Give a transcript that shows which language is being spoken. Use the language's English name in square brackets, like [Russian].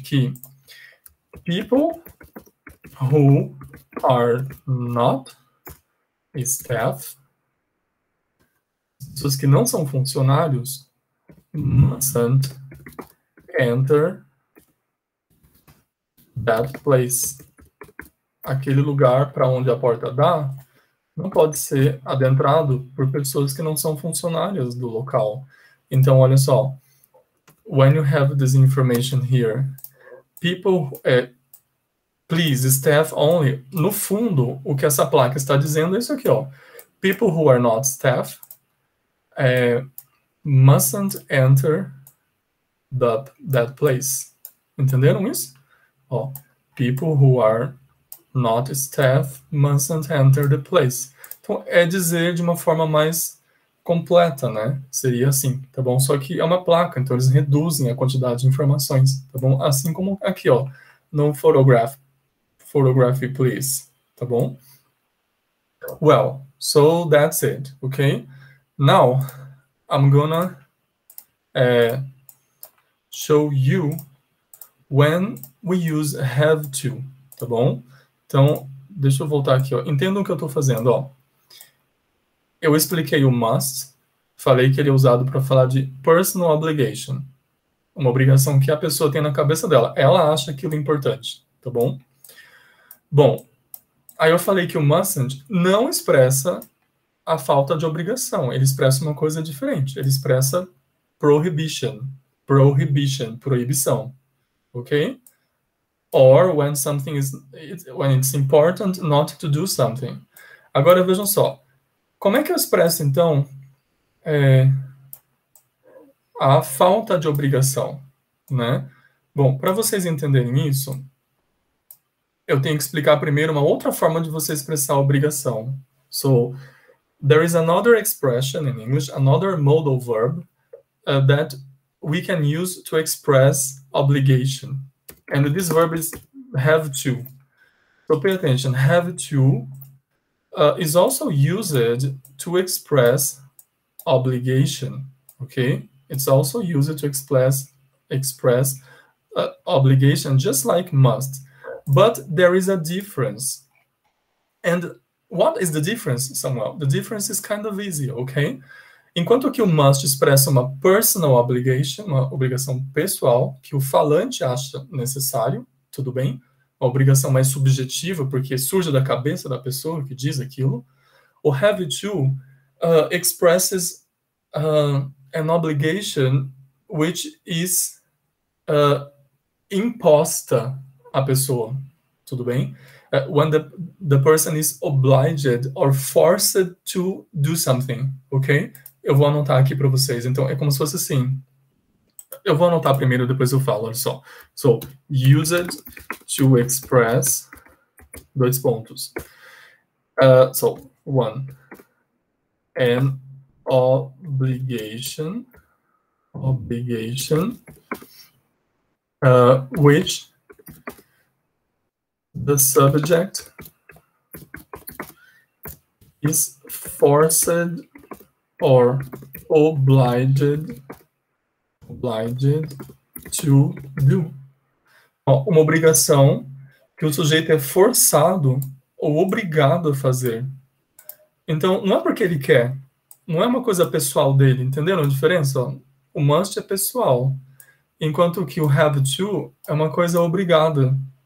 [English] Que people who are not staff, [Portuguese] pessoas que não são funcionários, [English] mustn't enter that place. [Portuguese] Aquele lugar para onde a porta dá não pode ser adentrado por pessoas que não são funcionárias do local. Então, olha só. [English] When you have this information here, people, please, staff only. [Portuguese] No fundo, o que essa placa está dizendo é isso aqui, ó. [English] People who are not staff, mustn't enter that place. [Portuguese] Entenderam isso? [English] Ó, people who are not staff mustn't enter the place. [Portuguese] Então, é dizer de uma forma mais completa, né? Seria assim, tá bom? Só que é uma placa, então eles reduzem a quantidade de informações, tá bom? Assim como aqui, ó. [English] No photograph. Photography, please. [Portuguese] Tá bom? [English] Well, so that's it, okay? Now, I'm gonna show you when we use have to, tá bom? [Portuguese] Então, deixa eu voltar aqui, ó. Entendam o que eu tô fazendo, ó. Eu expliquei o must, falei que ele é usado para falar de personal obligation, uma obrigação que a pessoa tem na cabeça dela. Ela acha aquilo importante, tá bom? Bom, aí eu falei que o mustn't não expressa a falta de obrigação, ele expressa uma coisa diferente, ele expressa prohibition, prohibition, proibição, ok? [English] Or when something is, when it's important not to do something. [Portuguese] Agora vejam só, como é que eu expresso então a falta de obrigação, né? Bom, para vocês entenderem isso, eu tenho que explicar primeiro uma outra forma de você expressar obrigação. [English] So, there is another expression in English, another modal verb, that we can use to express obligation. And this verb is have to. So pay attention. Have to is also used to express obligation. Okay? It's also used to express obligation, just like must. But there is a difference. And what is the difference, Samuel? The difference is kind of easy, okay? [Portuguese] Enquanto que o must expressa uma personal obligation, uma obrigação pessoal, que o falante acha necessário, tudo bem, uma obrigação mais subjetiva, porque surge da cabeça da pessoa que diz aquilo, o have to [English] expresses an obligation which is [Portuguese] imposta à pessoa, tudo bem? [English] When the person is obliged or forced to do something, ok? [Portuguese] Eu vou anotar aqui para vocês. Então, é como se fosse assim. Eu vou anotar primeiro, depois eu falo. Olha só. [English] So, used to express [Portuguese] dois pontos. [English] So, one. An obligation. Obligation. Which the subject is forced or obliged to do. [Portuguese] Uma obrigação que o sujeito é forçado ou obrigado a fazer. Então, não é porque ele quer, não é uma coisa pessoal dele, entenderam a diferença? O must é pessoal, enquanto que o have to é uma coisa obrigada.